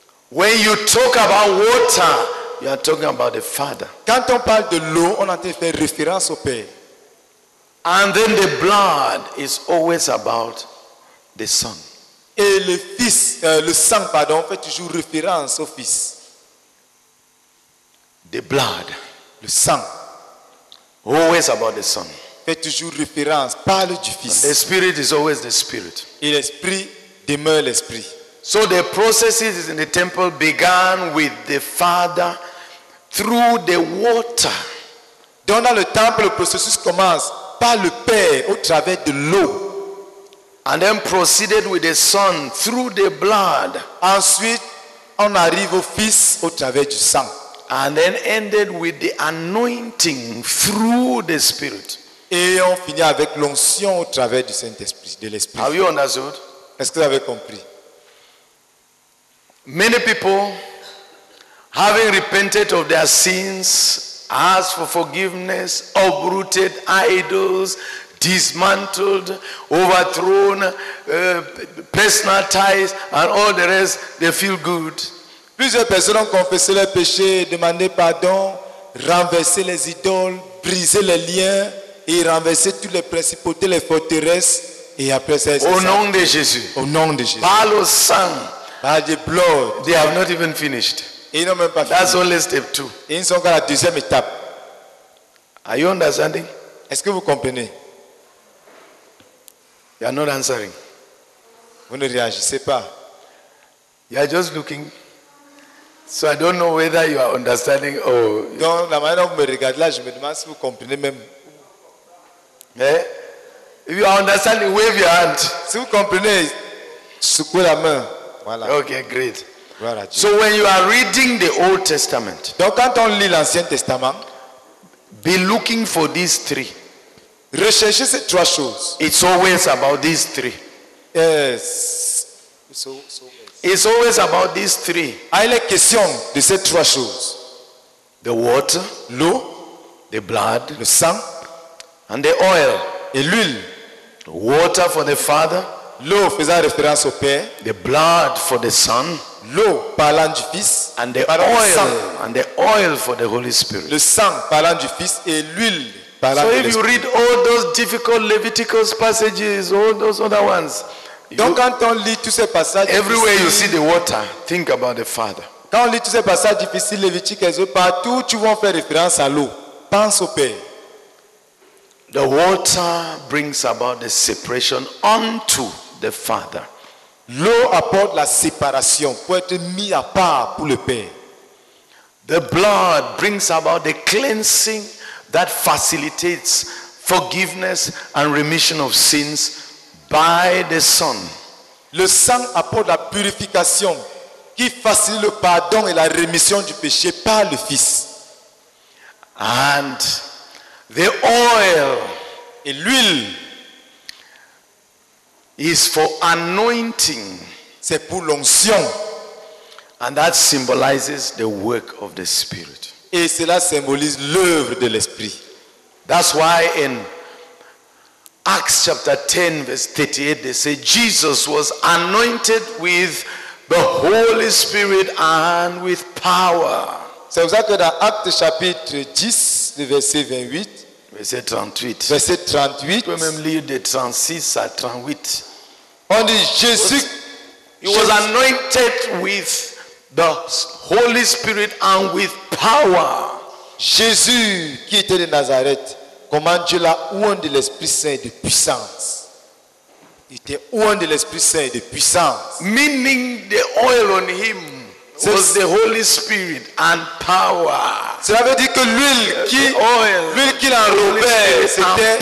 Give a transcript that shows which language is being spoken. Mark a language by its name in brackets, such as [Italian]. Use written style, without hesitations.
[English] When you talk about water, you are talking about the Father. [French] Quand on parle de l'eau, on a fait référence au Père. [English] And then the blood is always about the Son. [French] Et le Fils, le sang, pardon, fait toujours référence au Fils. [English] The blood, [French] le sang, [English] always about the Son. [French] Fait toujours référence, parle du Fils. [English] The Spirit is always the Spirit. [French] Et l'Esprit demeure l'Esprit. [English] So the processes in the temple began with the Father through the water. [French] Donc dans le temple, le processus commence par le Père au travers de l'eau. [English] And then proceeded with the Son through the blood. [French] Ensuite, on arrive au Fils au travers du sang. [English] And then ended with the anointing through the Spirit. [French] Et on finit avec l'onction au travers du Saint-Esprit, de l'Esprit. [English] Have you understood? [French] Est-ce que vous avez compris? [English] Many people, having repented of their sins, asked for forgiveness, uprooted idols, dismantled, overthrown, personal ties, and all the rest, they feel good. [French] Plusieurs personnes ont confessé leurs péchés, demandé pardon, renversé les idoles, brisé les liens et renversé toutes les principautés, les forteresses. Et après ça, au nom de Jésus. Au nom de Jésus. Par le sang. Par le blood. [English] They have not even finished. [French] Ils n'ont même pas fini. [English] That's only step two. [French] Ils sont à la deuxième étape. [English] Are you understanding? [French] Est-ce que vous comprenez? [English] You are not answering. [French] Vous ne réagissez pas. [English] You are just looking. So I don't know whether you are understanding or. [French] Donc la manière dont vous me regardez là, je me demande si vous comprenez même. [English] Eh? If you are understanding, wave your hand. [French] Si vous comprenez, secouez la main. Voilà. [English] Okay, great. So when you are reading the Old Testament, [French] donc quand on lit l'Ancien Testament, [English] be looking for these three. [French] Recherchez ces trois choses. [English] It's always about these three. Yes. It's always about these three. [French] Il est question de ces trois choses. [English] The water, [French] l'eau, [English] the blood, [French] le sang, [English] and the oil, [French] et l'huile. [English] Water for the Father, [French] l'eau faisant référence au Père, [English] the blood for the Son, [French] l'eau parlant du Fils, [English] and the oil, and the oil for the Holy Spirit, [French] le sang parlant du Fils et l'huile parlant [English] so [French] de l'Esprit. [English] So if you read all those difficult Leviticus passages, all those other ones, [French] donc quand on lit tous ces passages, [English] everywhere you see the water, think about the Father. [French] Quand on lit tous ces passages difficiles, Leviticus, partout tu vois faire référence à l'eau, pense au Père. [English] The water brings about the separation unto the Father. [French] L'eau apporte la séparation pour être mis à part pour le Père. [English] The blood brings about the cleansing that facilitates forgiveness and remission of sins by the Son. [French] Le sang apporte la purification qui facilite le pardon et la rémission du péché par le Fils. [English] And the oil, [French] et l'huile, [English] is for anointing. [French] C'est pour l'onction. [English] And that symbolizes the work of the Spirit. [French] Et cela symbolise l'œuvre de l'Esprit. [English] That's why in Acts chapter 10 verse 38 they say Jesus was anointed with the Holy Spirit and with power. [French] C'est pour ça que dans Actes chapitre 10 verset 28 verset 38. Verset 38. Tu peux même lire de 36 à 38. On dit Jésus. [English] He was anointed with the Holy Spirit and with power. [French] Jésus qui était de Nazareth, comment Dieu l'a oint de l'Esprit Saint et de puissance. Il était oint de l'Esprit Saint et de puissance. [English] Meaning the oil on him. Was the Holy Spirit and power. [French] Cela veut dire que l'huile qui l'enrobait, c'était